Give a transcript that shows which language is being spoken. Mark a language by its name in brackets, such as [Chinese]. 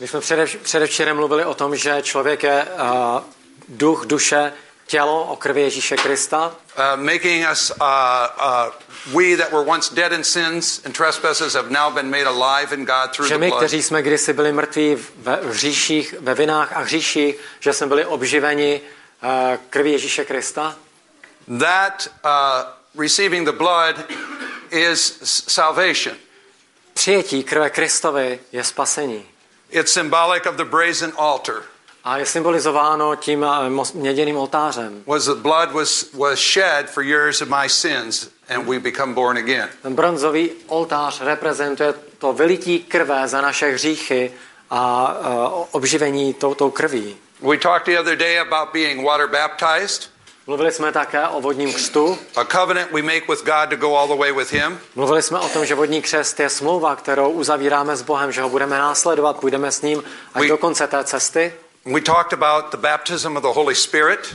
[Czech] My jsme předevčerem mluvili o tom, že člověk je duch, duše, tělo o krvi Ježíše Krista. [English] Making us we that were once dead in sins and trespasses have now been made alive in God through the blood. [Czech] Že my, kteří jsme kdysi byli mrtví ve hříších, ve vinách a hříších, že jsme byli obživeni krví Ježíše Krista. [English] That receiving the blood is salvation. [Czech] Přijetí krve Kristovy je spasení. [English] It's symbolic of the brazen altar. [Czech] A je symbolizováno tím měděným oltářem. [English] Was the blood was shed for years of my sins and we become born again. [Czech] Ten bronzový oltář reprezentuje to vylití krve za naše hříchy a obživení touto krví. [English] We talked the other day about being water baptized. [Czech] Mluvili jsme také o vodním křtu. [English] A covenant we make with God to go all the way with him. [Czech] Mluvili jsme o tom, že vodní křest je smlouva, kterou uzavíráme s Bohem, že ho budeme následovat, půjdeme s ním až do konce té cesty. [English] We talked about the baptism of the Holy Spirit.